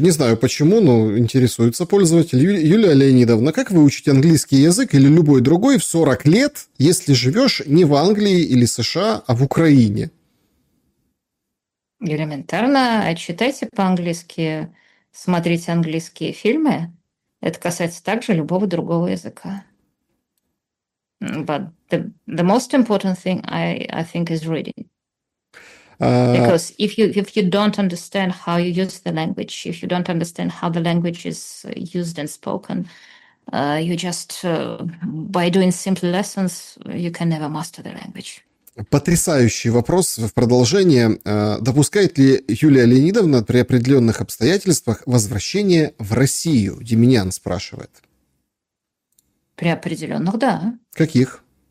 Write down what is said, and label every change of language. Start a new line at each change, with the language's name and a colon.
Russian: Не знаю почему, но интересуется пользователь. Юлия Леонидовна, как вы учите английский язык или любой другой в 40 лет, если живешь не в Англии или США, а в Украине? Элементарно. Читайте по-английски, смотрите английские фильмы. Это касается также любого другого языка.
English: But the most important thing, I think, is reading. Because if you don't understand how you use the language, if you don't understand how the language is used and spoken, you just by doing simple lessons you can never master the language.
Russian: Потрясающий вопрос в продолжение. Допускает ли Юлия Леонидовна при определенных обстоятельствах возвращение в Россию? Деминьян спрашивает. При определенных, да. Каких?